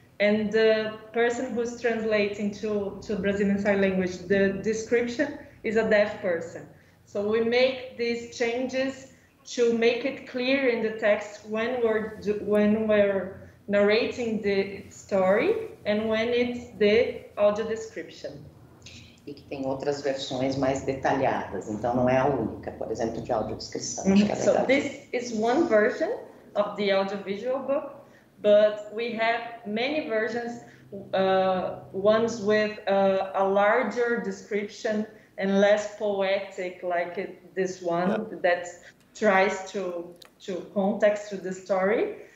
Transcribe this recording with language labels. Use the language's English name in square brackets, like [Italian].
[English] And the person who's translating to Brazilian Sign Language, the description, is a deaf person. So we make these changes to make it clear in the text when we're narrating the story and when it's the audio description. [Portuguese] e que tem outras versões mais detalhadas. Então, não é a única, por exemplo, de audiodescrição. Mm-hmm. [English] So this is one version of the audiovisual book, but we have many versions, ones with a larger description and less poetic, like this one, yeah, that tries to context to the story.